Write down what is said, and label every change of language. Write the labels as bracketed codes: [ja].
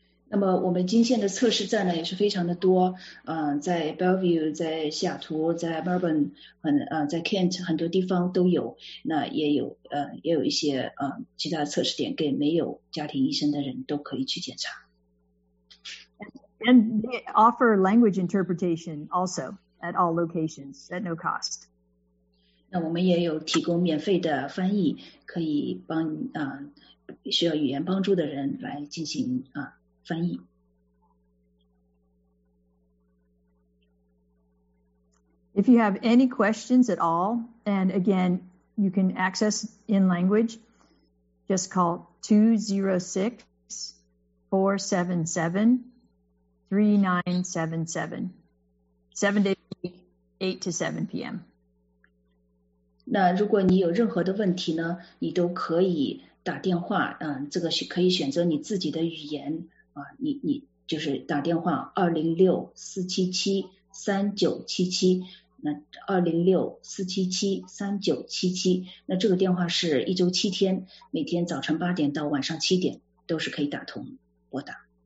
[zh] 那么我们金县的测试站呢也是非常的多，在 Bellevue, 在西雅图，在 Melbourne, 在 Kent 很多地方都有，那也有一些其他测试点给没有家庭医生的人都可以去检查。 [en] And they offer language interpretation also at all locations at no cost. [zh] 那我们也有提供免费的翻译，可以帮需要语言帮助的人来进行翻译。 [en] If you have any questions at all, and again, you can access in language, just call 206-477-3977, 7 days a week, 8 to 7 p.m. [zh] 那如果你有任何的问题呢，你都可以打电话，这个是可以选择你自己的语言。你就是打电话206-477-3977，那206-477-3977，那这个电话是一周七天，每天早晨八点到晚上七点都是可以打通拨打。